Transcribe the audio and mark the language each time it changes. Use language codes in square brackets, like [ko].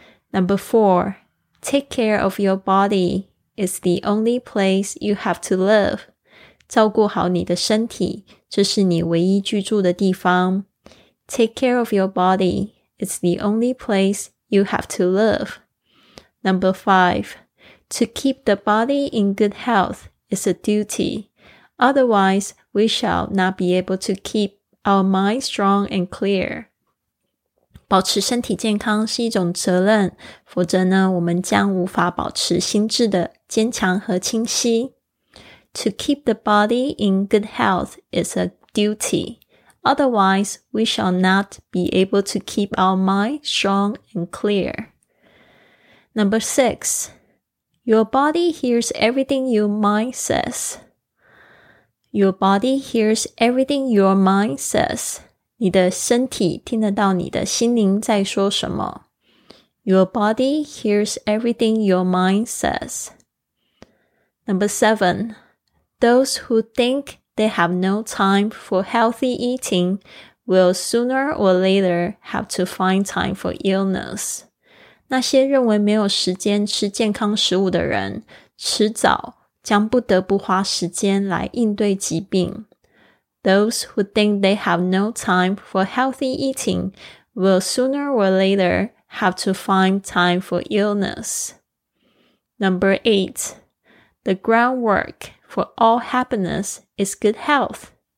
[en] Number four, take care of your body is the only place you have to live. [zh] 照顾好你的身体，这是你唯一居住的地方。 [en] Take care of your body is the only place you have to live. Number five, to keep the body in good health is a duty. Otherwise,We shall not be able to keep our mind strong and clear. [zh] 保持身体健康是一种责任，否则呢，我们将无法保持心智的坚强和清晰。 [en] To keep the body in good health is a duty. Otherwise, we shall not be able to keep our mind strong and clear. Number six, your body hears everything your mind says. Your body hears everything your mind says. [zh] 你的身体听得到你的心灵在说什么。 [en] Your body hears everything your mind says. Number seven, those who think they have no time for healthy eating will sooner or later have to find time for illness. [zh] 那些认为没有时间吃健康食物的人，迟早将不得不花时间来应对疾病。 [en] Those who think they have no time for healthy eating will sooner or later have to find time for illness. Number eight, the groundwork for all happiness is good health.